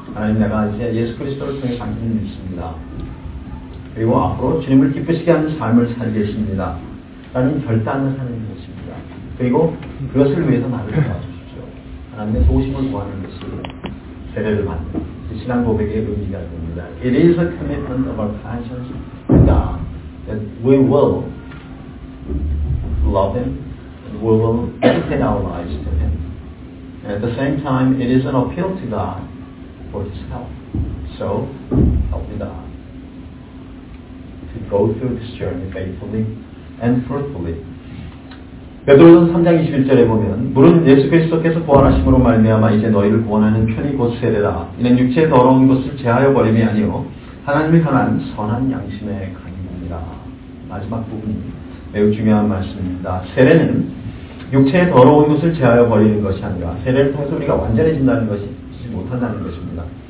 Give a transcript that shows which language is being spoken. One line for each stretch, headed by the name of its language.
Korean: 하나님, 내가 이제 예수 그리스도를 통해 당신을 믿습니다. 그리고 앞으로 주님을 기쁘시게 하는 삶을 살겠습니다. 라는 결단을 하는 것입니다. 그리고 그것을 위해서 나를 도와주십시오. 하나님의 도우심을 구하는 것이 세례를 받는 신앙 고백의 의미가 됩니다.
English: It is a commitment of our passions to God that we will love Him and we will dedicate our lives to Him. And at the same time, it is an appeal to God for His help. So, help me God to go through this journey faithfully and fruitfully.
Korean: 베드로전 3장 21절에 보면 물은 예수 그리스도께서 부활하심으로 말미암아 이제 너희를 구원하는 편이 곧 세례라. 이는 육체의 더러운 것을 제하여 버림이 아니오 하나님이 향한 선한 양심의 강림입니다. 마지막 부분이 매우 중요한 말씀입니다. 세례는 육체의 더러운 것을 제하여 버리는 것이 아니라 세례를 통해서 우리가 완전해진다는 것이지 못한다는 것입니다.